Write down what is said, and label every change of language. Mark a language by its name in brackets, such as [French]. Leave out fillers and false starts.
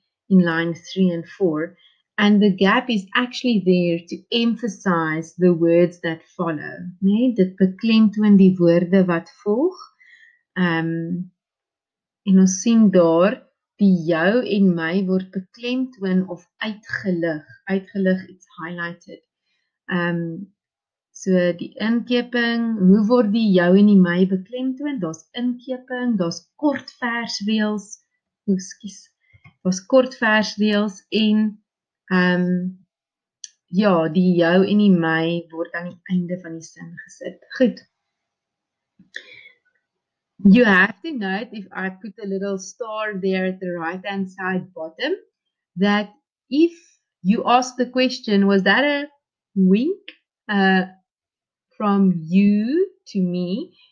[English] And the gap is actually there to emphasize the words that follow. [Afrikaans] Nee, dit beklemtoon die woorde wat volg. En ons sien daar, die jou en my word beklemtoon of uitgelig. Uitgelig, it's highlighted. So die inkeping, hoe word die jou en die my beklemtoon? Daar's inkeping, daar's kort versreels. Ekskuus. Daar's kort versreels en ja, die jou en die my word aan die einde van die sin gesit. Goed. [English] You have to note, if I put a little star there at the right-hand side bottom, that if you ask the question, was that a wink from you to me?